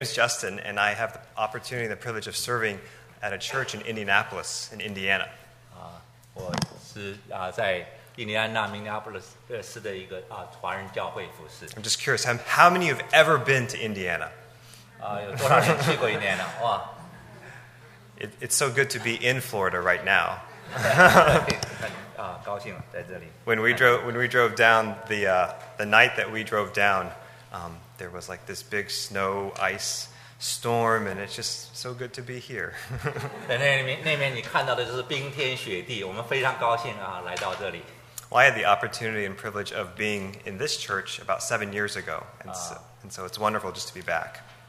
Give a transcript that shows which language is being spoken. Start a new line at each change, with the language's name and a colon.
English: My name is Justin, and I have the opportunity and the privilege of serving at a church in Indianapolis, in Indiana.
Chinese: 我是在印第安纳明尼阿波利斯的一个传人教会服事。
English: I'm just curious, how many have ever been to Indiana?
Chinese: 有多少人去过印第安纳?
English: Wow. It's so good to be in Florida right now.
Chinese: 很高兴在这里。
English: When we drove down the night that we drove down, there was like this big snow ice storm, and it's just so good to be here.
Chinese: 那边你看到的就是冰天雪地，我们非常高兴啊来到这里。
English: Well, I had the opportunity and privilege of being in this church about 7 years ago, and so it's wonderful just to be back.